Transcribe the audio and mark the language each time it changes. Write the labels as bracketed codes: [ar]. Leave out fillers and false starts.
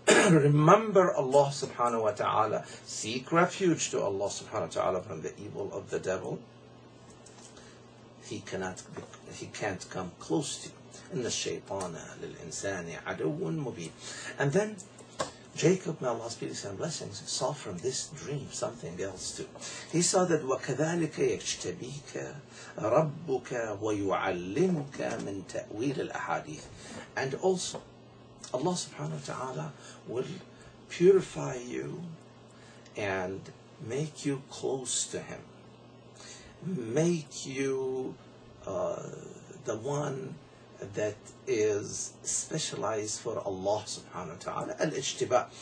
[en] Remember Allah subhanahu wa ta'ala. Seek refuge to Allah subhanahu wa ta'ala from the evil of the devil. He can't come close to you. [ar] Inna ash-shaytana lil-insani aduwwun mubeen. [en] And then Jacob, may Allah's peace and blessings, saw from this dream something else too. He saw that [ar] وَكَذَلِكَ يَجْتَبِيكَ رَبُّكَ وَيُعَلِّمُكَ مِنْ تَأْوِيلِ الْأَحَادِيثِ. [en] And also, Allah subhanahu wa ta'ala will purify you and make you close to him. Make you the one that is specialized for Allah subhanahu wa ta'ala. Al-ijtiba.